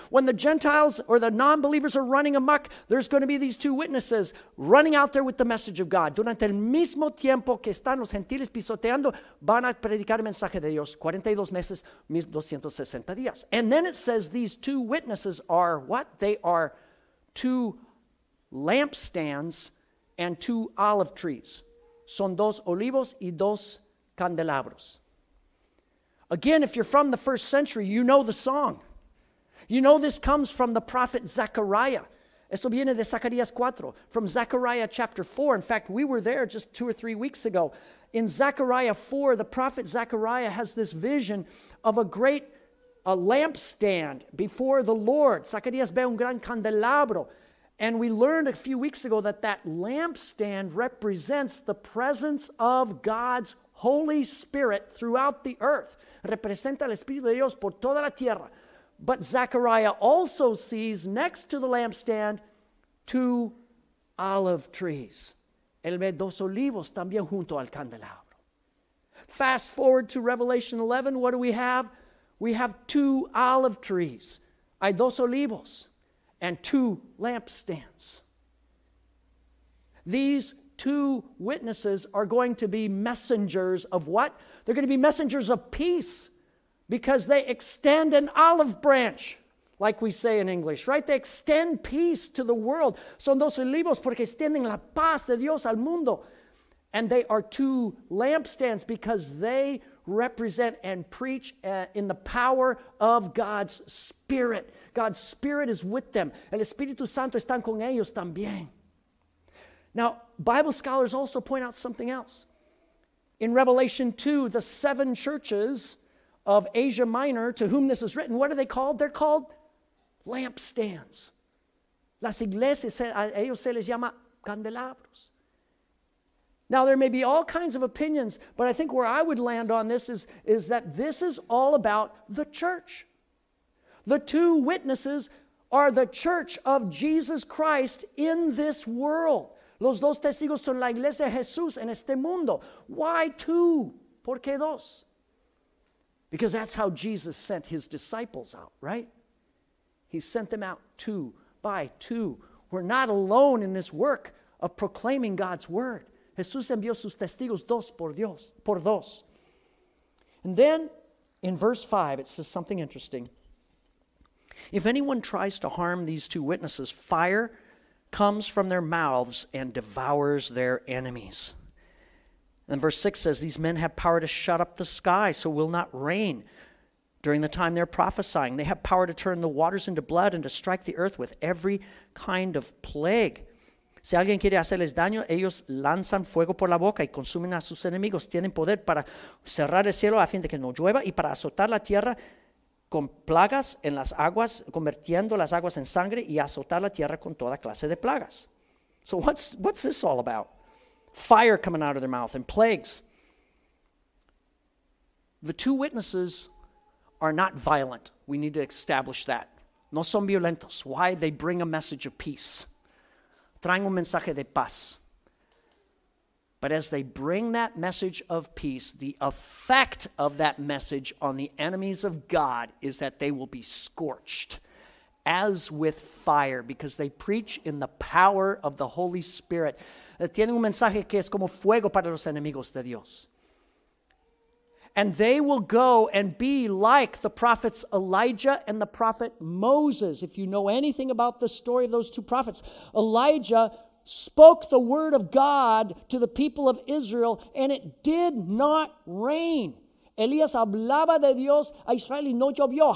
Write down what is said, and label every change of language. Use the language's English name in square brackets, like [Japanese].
[English] When the Gentiles or the non-believers are running amok, there's going to be these two witnesses running out there with the message of God. [Spanish] Durante el mismo tiempo que están los gentiles pisoteando, van a predicar el mensaje de Dios. 42 meses, 1,260 días. [English] And then it says these two witnesses are what? They are two lampstands and two olive trees. [Spanish] Son dos olivos y dos candelabros. [English] Again, if you're from the first century, you know the song. You know this comes from the prophet Zechariah. [Spanish] Esto viene de Zacarías 4, [English] from Zechariah chapter 4. In fact, we were there just 2 or 3 weeks ago. In Zechariah 4, the prophet Zechariah has this vision of a great lampstand before the Lord. [Spanish] Zacarías ve un gran candelabro. [English] And we learned a few weeks ago that lampstand represents the presence of God's Holy Spirit throughout the earth. [Spanish] Representa el Espíritu de Dios por toda la tierra. [English] But Zechariah also sees next to the lampstand two olive trees. [Spanish] Él ve dos olivos también junto al candelabro. [English] Fast forward to Revelation 11, what do we have? We have two olive trees. [Spanish] Hay dos olivos [English] and two lampstands. These two witnesses are going to be messengers of what? They're going to be messengers of peace because they extend an olive branch, like we say in English, right? They extend peace to the world. [Spanish] Son dos olivos porque extienden la paz de Dios al mundo. [English] And they are two lampstands because they represent and preach in the power of God's Spirit. God's Spirit is with them. [Spanish] El Espíritu Santo está con ellos también. [English] Now, Bible scholars also point out something else. In Revelation 2, the seven churches of Asia Minor to whom this is written, what are they called? They're called lampstands. [Spanish] Las iglesias, a ellos se les llama candelabros. [English] Now, there may be all kinds of opinions, but I think where I would land on this is that this is all about the church. The two witnesses are the church of Jesus Christ in this world. [Spanish] Los dos testigos son la iglesia de Jesús en este mundo. [English] Why two? [Spanish] ¿Por qué dos? [English] Because that's how Jesus sent his disciples out, right? He sent them out two by two. We're not alone in this work of proclaiming God's word. [Spanish] Jesús envió sus testigos dos por Dios, por dos. [English] And then in verse 5, it says something interesting. If anyone tries to harm these two witnesses, fire comes from their mouths and devours their enemies. And verse 6 says, these men have power to shut up the sky so it will not rain during the time they're prophesying. They have power to turn the waters into blood and to strike the earth with every kind of plague. [Spanish] Si alguien quiere hacerles daño, ellos lanzan fuego por la boca y consumen a sus enemigos. Tienen poder para cerrar el cielo a fin de que no llueva y para azotar la tierra con plagas en las aguas, convirtiendo las aguas en sangre y azotar la tierra con toda clase de plagas. [English] So what's this all about? Fire coming out of their mouth and plagues. The two witnesses are not violent. We need to establish that. [Spanish] No son violentos. [English] Why? They bring a message of peace. [Spanish] Traen un mensaje de paz. [English] But as they bring that message of peace, the effect of that message on the enemies of God is that they will be scorched as with fire because they preach in the power of the Holy Spirit. [Spanish] Tienen un mensaje que es como fuego para los enemigos de Dios. [English] And they will go and be like the prophets Elijah and the prophet Moses. If you know anything about the story of those two prophets, Elijah spoke the word of God to the people of Israel, and it did not rain. [Spanish] Elías hablaba de Dios a Israel y no llovió.